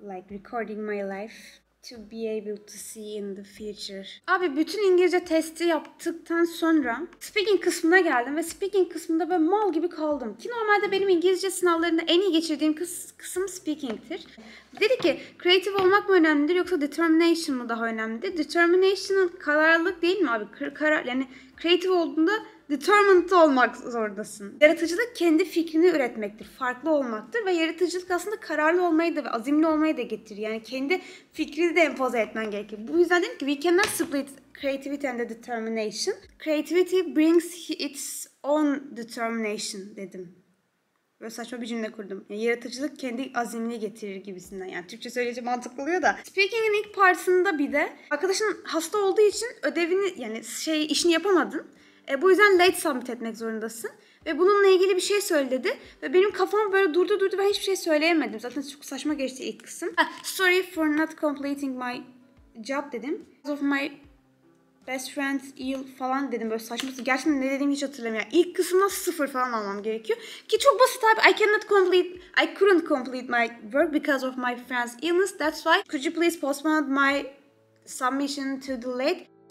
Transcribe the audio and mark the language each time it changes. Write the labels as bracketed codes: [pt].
[en] Recording my life to be able to see in the future. [tr] Abi bütün İngilizce testi yaptıktan sonra speaking kısmına geldim ve speaking kısmında böyle mal gibi kaldım. Ki normalde benim İngilizce sınavlarında en iyi geçirdiğim kısım speaking'tir. Dedi ki creative olmak mı önemlidir yoksa determination mı daha önemlidir? Determination'ın kararlılık değil mi abi? Yani creative olduğunda determined olmak zorundasın. Yaratıcılık kendi fikrini üretmektir, farklı olmaktır ve yaratıcılık aslında kararlı olmayı da ve azimli olmayı da getirir. Yani kendi fikrini de empoze etmen gerekir. Bu yüzden dedim ki [en] we cannot split creativity and the determination. Creativity brings its own determination dedim. [tr] Böyle saçma bir cümle kurdum. Yani yaratıcılık kendi azimini getirir gibisinden. Yani Türkçe söyleyince mantıklı oluyor da. Speaking'in ilk partisinde bir de arkadaşın hasta olduğu için ödevini, yani şey işini yapamadın. Bu yüzden late submit etmek zorundasın. Ve bununla ilgili bir şey söyledi. Ve benim kafam böyle durdu. Ben hiçbir şey söyleyemedim. Zaten çok saçma geçti ilk kısım. [en] Sorry for not completing my job dedim. Because of my best friend ill [tr] falan dedim. Böyle saçma. Gerçekten ne dediğimi hiç hatırlamıyorum. İlk kısımda sıfır falan almam gerekiyor. Ki çok basit abi. [en] I couldn't complete my work because of my friend's illness. That's why. Could you please postpone my submission to the late?